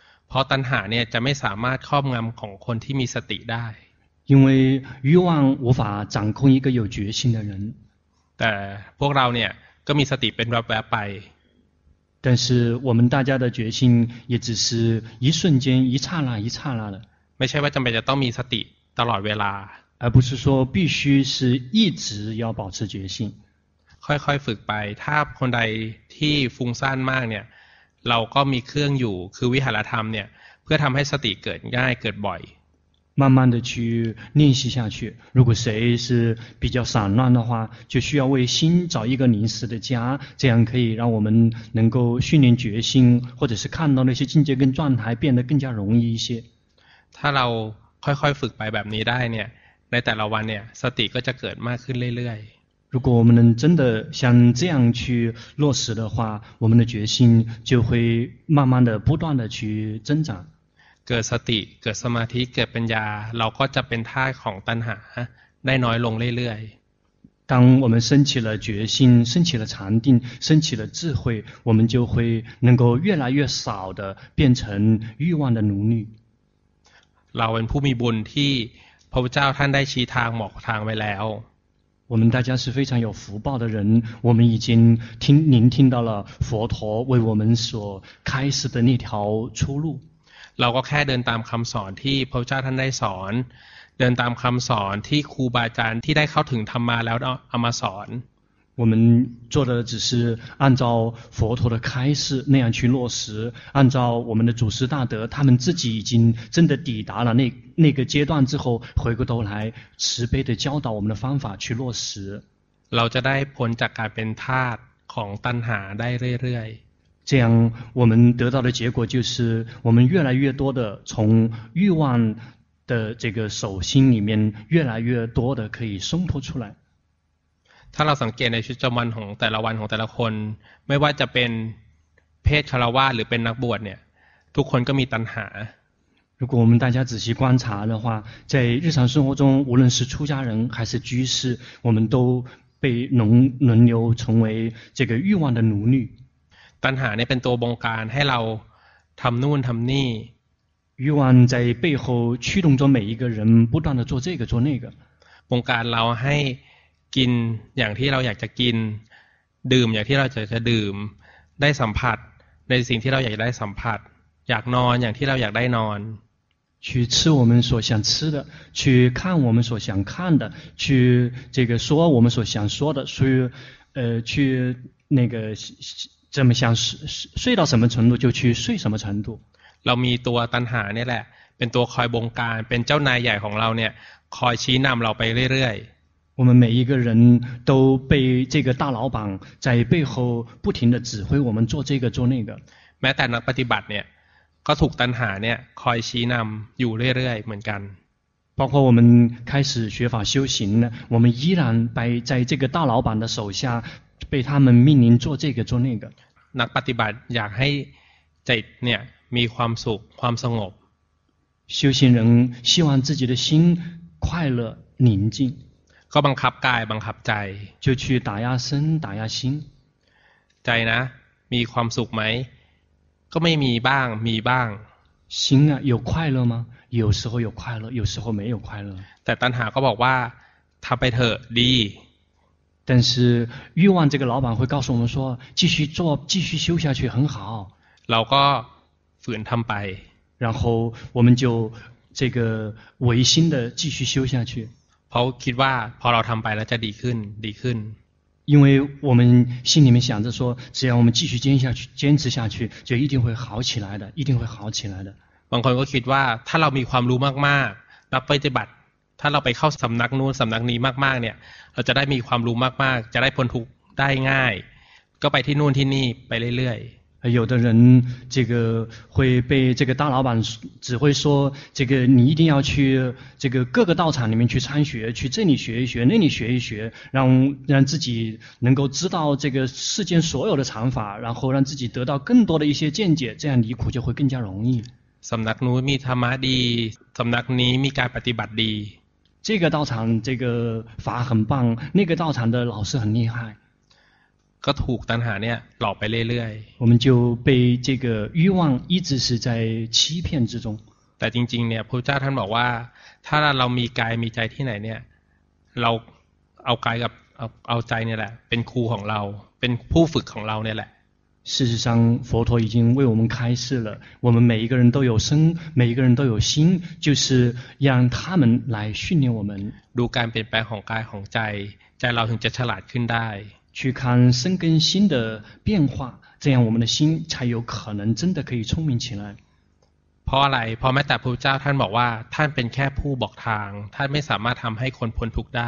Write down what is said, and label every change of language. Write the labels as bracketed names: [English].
[Thai] พอตัณหาเนี่ยจะไม่สามารถครอบงำของคนที่มีสติได้。 [Chinese] 因为欲望无法掌控一个有决心的人。 [Thai] แต่พวกเราเนี่ยก็มีสติเป็นแบบแบบไป。 [Chinese] 但是我们大家的决心也只是一瞬间一刹那一刹那的。 [Thai] ไม่ใช่ว่าจำเป็นจะต้องมีสติตลอดเวลา。 [Chinese] 而不是说必须是一直要保持决心。 [Thai] ค่อยๆฝึกไปถ้าคนใดที่ฟุ้งซ่านมากเนี่ยเราก็มีเครื่องอยู่คือวิหารธรรมเนี่ยเพื่อทำให้สติเกิดง่ายเกิดบ่อย。 [Chinese] 慢慢的去练习下去。如果谁是比较散乱的话，就需要为心找一个临时的家，这样可以让我们能够训练决心，或者是看到那些境界跟状态变得更加容易一些。 [Thai] ถ้าเราค่อยๆฝึกไปแบบนี้ได้เนี่ยในแต่ละวันเนี่ยสติก็จะเกิดมากขึ้นเรื่อย ๆ。 [Chinese] 如果我们能真的像这样去落实的话，我们的决心就会慢慢的不断的去增长。 [Thai] เกิดสติเกิดสมาธิเกิดปัญญาเราก็จะเป็นทาสของตัณหาได้น้อยลงเรื่อย [Chinese] ๆ当我们升起了决心升起了禅定升起了智慧我们就会能够越来越少的变成欲望的奴隶 [Thai] เราเป็นผู้มีบุญที่พระพุทธเจ้าท่านได้ชี้ทางบอกทางไว้แล้ว [Chinese] 我们大家是非常有福报的人我们已经听您听到了佛陀为我们所开示的那条出路 [Thai] เราก็แค่เดินตามคำสอนที่พระเจ้าท่านได้สอนเดินตามคำสอนที่ครูบาอาจารย์ที่ได้เข้าถึงธรรมมาแล้วเอามาสอน [Chinese] 我们做的只是按照佛陀的开示那样去落实按照我们的祖师大德他们自己已经真的抵达了那个阶段之后回过头来慈悲的教导我们的方法去落实 [Thai] เราจะได้พ้นจากการเป็นทาสของตัณหาได้เรื่อยๆ [Chinese] 这样我们得到的结果就是我们越来越多的从欲望的这个手心里面越来越多的可以松脱出来 [Thai] ถ้าเราสังเกตในชีวิตประจำวันของแต่ละวันของแต่ละคนไม่ว่าจะเป็นเพศคฤหัสถ์หรือเป็นนักบวชเนี่ยทุกคนก็มีตัณหา [Chinese] 如果我们大家仔细观察的话在日常生活中无论是出家人还是居士我们都被轮流成为这个欲望的奴隶 [Thai] ตัณหาเนี่ยเป็นตัวบงการให้เราทำนู่นทำนี่ [Chinese] 欲望在背后驱动着每一个人不断的做这个做那个 [Thai] บงการเราให้กินอย่างที่เราอยากจะกินดื่มอย่างที่เราอยากจะดื่มได้สัมผัสในสิ่งที่เราอยากได้สัมผัสอยากนอนอย่างที่เราอยากได้นอน [Chinese] 去吃我们所想吃的去看我们所想看的去这个说我们所想说的去去那个这么想睡到什么程度就去睡什么程度 [Thai] เรามีตัวตัณหาเนี่ยแหละเป็นตัวคอยบงการเป็นเจ้านายใหญ่ของเราเนี่ยคอยชี้นำเราไปเรื่อย [Chinese] ๆ我们每一个人都被这个大老板在背后不停的指挥我们做这个做那个 [Thai] แม้แต่นักปฏิบัติเนี่ยก็ถูกตัณหาเนี่ยคอยชี้นำอยู่เรื่อยๆเหมือนกัน [Chinese] 包括我们开始学法修行呢我们依然被在这个大老板的手下被他们命令做这个做那个 [Thai] นักปฏิบัติอยากให้ใจเนี่ยมีความสุขความสงบ [Chinese] 修行人希望自己的心快乐宁静 [Thai] ก็บังคับกายบังคับใจ [Chinese] 就去打压身打压心 [Thai] ใจนะมีความสุขไหมก็ไม่มีบ้างมีบ้าง [Chinese] 心啊有快乐吗有时候有快乐有时候没有快乐 [Thai] แต่ตัณหาก็บอกว่าทำไปเถอะดี [Chinese] 但是欲望这个老板会告诉我们说继续做继续修下去很好 [Thai] เราก็ฝืนทำไป [Chinese] 然后我们就这个违心的继续修下去 [Thai] เพราะคิดว่าพอเราทำไปแล้วจะดีขึ้นดีขึ้น [Chinese] 因为我们心里面想着说只要我们继续坚持下去坚持下去就一定会好起来的一定会好起来的 [Thai] บางคนก็คิดว่าถ้าเรามีความรู้มากๆแล้วปฏิบัติ ถ้าเราไปเข้าสำนักนู้นสำนักนี้มากๆเนี่ยเราจะได้มีความรู้มากๆจะได้พ้นทุกข์ได้ง่ายก็ไปที่นู่นที่นี่ไปเรื่อย [Chinese] ๆ有的人这个会被这个大老板只会说这个你一定要去这个各个道场里面去参学去这里学一学那里学一学让自己能够知道这个世间所有的禅法然后让自己得到更多的一些见解这样离苦就会更加容易 [Thai] สำนักนู้นมีธรรมะดีสำนักนี้มีการปฏิบัติดี [Chinese] 这个道场这个法很棒那个道场的老师很厉害 [Thai] ก็ถูกตัณหาเนี่ยหลอกไปเรื่อย [Chinese] ๆ我们就被这个欲望一直是在欺骗之中 [Thai] แต่จริงๆเนี่ยพระพุทธเจ้าท่านบอกว่าถ้าเรามีกายมีใจที่ไหนเนี่ยเราเอากายกับเอาใจเนี่ยแหละเป็นครูของเราเป็นผู้ฝึกของเราเนี่ยแหละ [Chinese] 事实上佛陀已经为我们开示了我们每一个人都有身每一个人都有心就是让他们来训练我们 [Thai] ดูการเปลี่ยนแปลงของกายของใจใจเราถึงจะฉลาดขึ้นได้ [Chinese] 去看身跟心的变化这样我们的心才有可能真的可以聪明起来 [Thai] เพราะอะไรเพราะแม้แต่พระเจ้าท่านบอกว่าท่านเป็นแค่ผู้บอกทางท่านไม่สามารถทำให้คนพ้นทุกข์ได